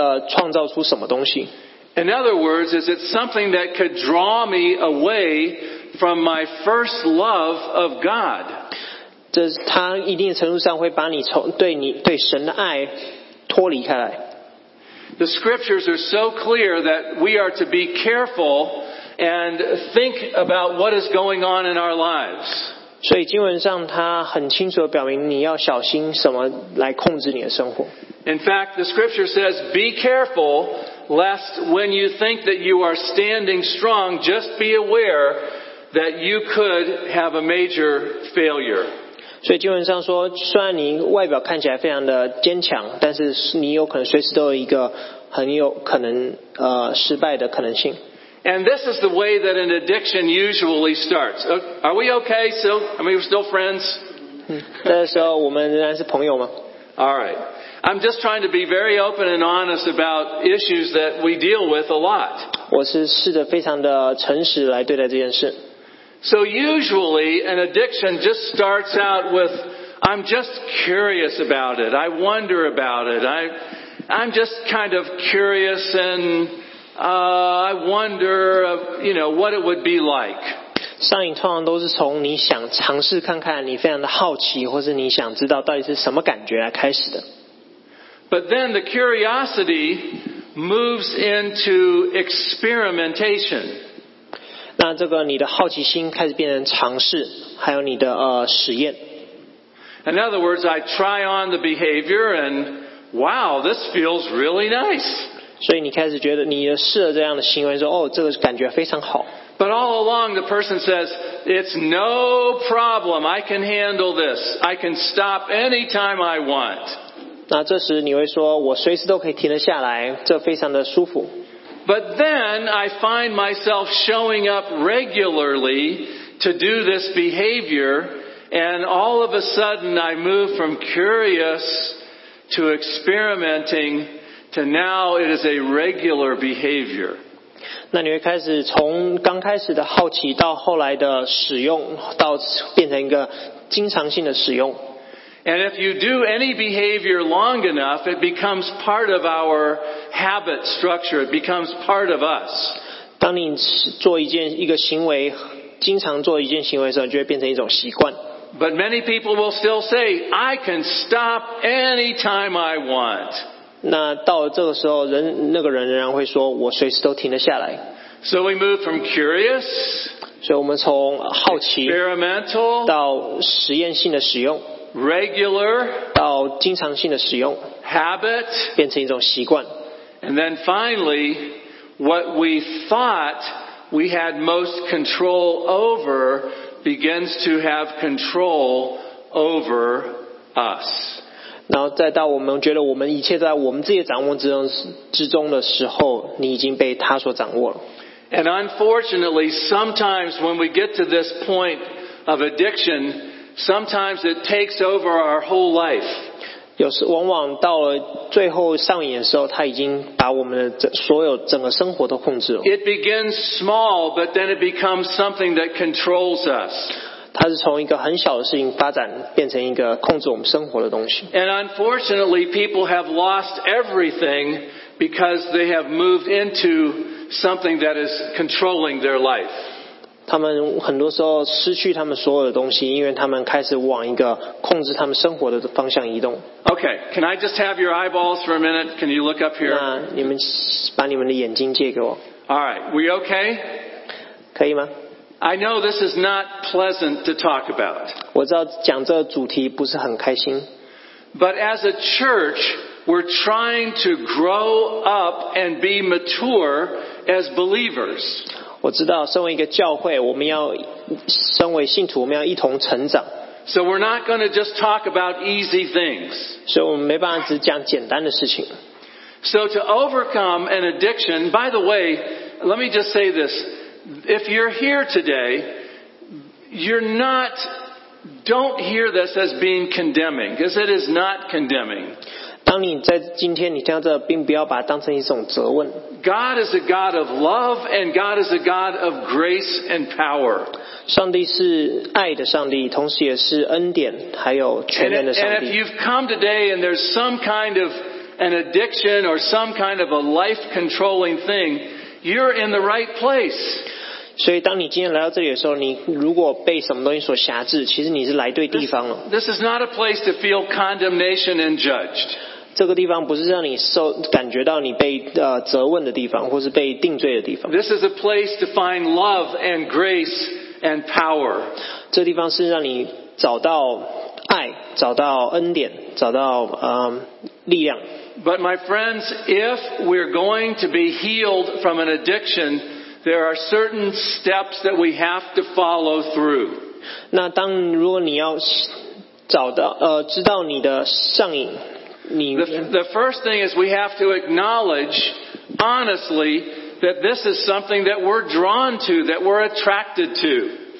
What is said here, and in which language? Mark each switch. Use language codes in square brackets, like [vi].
[zh] 创造出什么东西 [en] In other words, is it something that could draw me away from my first love of God? [zh] 这是它一定程度上会把你从对你对神的爱脱离开来 [en] The scriptures are so clear that we are to be careful and think about what is going on in our lives. [zh] 所以经文上它很清楚地表明你要小心什么来控制你的生活。 [en] In fact, the scripture says, be careful, lest when you think that you are standing strong, just be aware that you could have a major failure. [zh] 所以经文上说，虽然你外表看起来非常的坚强，但是你有可能随时都有一个很有可能失败的可能性。 [en] And this is the way that an addiction usually starts. Are we okay? So, I mean, we're still friends? [zh] 那时候我们仍然是朋友吗？ [en] All right. I'm just trying to be very open and honest about issues that we deal with a lot. [zh] 我是试着非常的诚实来对待这件事。 [en] So usually an addiction just starts out with, I'm just curious about it. I wonder about it. I'm just kind of curious and... I wonder, you know, what it would be like. [zh] 上瘾通常都是从你想尝试看看，你非常的好奇，或是你想知道到底是什么感觉来开始的。 [en] But then the curiosity moves into experimentation. [zh] 那这个你的好奇心开始变成尝试，还有你的实验。 [en] In other words, I try on the behavior, and wow, this feels really nice. [zh] 所以你开始觉得你试了这样的行为说哦这个感觉非常好。 [en] But all along the person says, it's no problem, I can handle this, I can stop anytime I want. [zh] 那这时你会说我随时都可以停得下来这非常的舒服。 [en] But then I find myself showing up regularly to do this behavior, and all of a sudden I move from curious to experimenting,to now it is a regular behavior. [zh] 那你会开始从刚开始的好奇到后来的使用到变成一个经常性的使用。 [en] And if you do any behavior long enough, it becomes part of our habit structure. It becomes part of us. [zh] 当你做一个行为经常做一件行为的时候就会变成一种习惯。 [en] But many people will still say, I can stop anytime I want. [zh] 那到了这个时候人那个人仍然会说我随时都停得下来。 [en] So we move from curious, [zh] 所以我们从好奇 [en] experimental, [zh] 到实验性的使用 [en] regular, [zh] 到经常性的使用 [en] habit, [zh] 变成一种习惯 [en] and then finally, what we thought we had most control over begins to have control over us. [zh] 然后再到我们觉得我们一切都在我们自己的掌握之中的时候，你已经被他所掌握了。 [en] And unfortunately, sometimes when we get to this point of addiction, sometimes it takes over our whole life. [zh] 有时往往到了最后上瘾的时候，他已经把我们的所有整个生活都控制了。 [en] It begins small, but then it becomes something that controls us. [zh] 它是从一个很小的事情发展变成一个控制我们生活的东西。 [en] And unfortunately, people have lost everything because they have moved into something that is controlling their life. [zh] 他们很多时候失去他们所有的东西，因为他们开始往一个控制他们生活的方向移动。 [en] Okay, can I just have your eyeballs for a minute? Can you look up here? [zh] 那你们把你们的眼睛借给我。 [en] All right, we okay? [zh] 可以吗？ [en] I know this is not pleasant to talk about. [zh] 我知道讲这个主题不是很开心。 [en] But as a church, we're trying to grow up and be mature as believers. [zh] 我知道身为一个教会，我们要身为信徒，我们要一同成长。 [en] So we're not going to just talk about easy things. [zh] 所以我们没办法只讲简单的事情。 [en] So to overcome an addiction, by the way, let me just say this. If you're here today, you're not, don't hear this as being condemning, because it is not condemning. [zh] 当你在今天你听到这并不要把它当成一种责问。 [en] God is a God of love, and God is a God of grace and power. [zh] 上帝是爱的上帝，同时也是恩典，还有全能的上帝。 [en] And if you've come today and there's some kind of an addiction or some kind of a life-controlling thing,You're in the right place. [zh] 所以当你今天来到这里的时候，你如果被什么东西所辖制，其实你是来对地方了。 [en] This is not a place to feel condemnation and judged. [zh] 这个地方不是让你受感觉到你被责问的地方，或是被定罪的地方。 [en] This is a place to find love and grace and power. [zh] 这地方是让你找到爱，找到恩典，找到力量。 [en] But my friends, if we're going to be healed from an addiction, there are certain steps that we have to follow through. [zh] 那当如果你要找到知道你的上瘾，你 [en] the first thing is we have to acknowledge honestly that this is something that we're drawn to, that we're attracted to.